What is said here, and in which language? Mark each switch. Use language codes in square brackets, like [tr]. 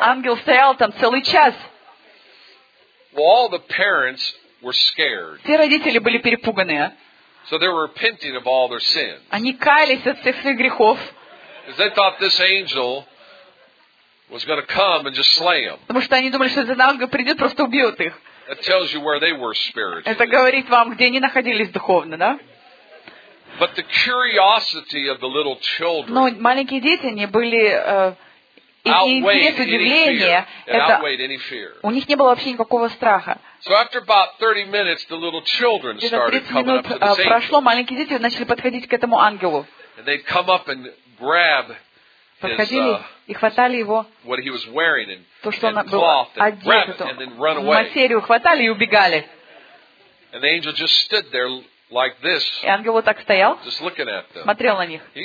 [ru] Ангел стоял там целый час. [en] Well, all the parents were scared. [ru] Все родители были перепуганы. [en] So they were repenting of all their sins. [ru] Они каялись от всех своих грехов. [en] Because they thought this angel was going to come and just slay them. [ru] Потому что они думали, что этот ангел придет, просто убьет их. [en] That tells you where they were spiritually. [ru] Это говорит вам, где они находились духовно, да? [en] But the curiosity of the little children. [ru] Но маленькие дети, они были интерес, удивление. У них не было вообще никакого страха. [en] So after about 30 minutes, the little children started coming up to this angel. [ru] Прошло, маленькие дети начали подходить к этому ангелу. [en] And they'd come up and grab. [ru] Подходили и хватали его, то, что он был одет, эту материю хватали и убегали. И ангел вот так стоял, смотрел на них.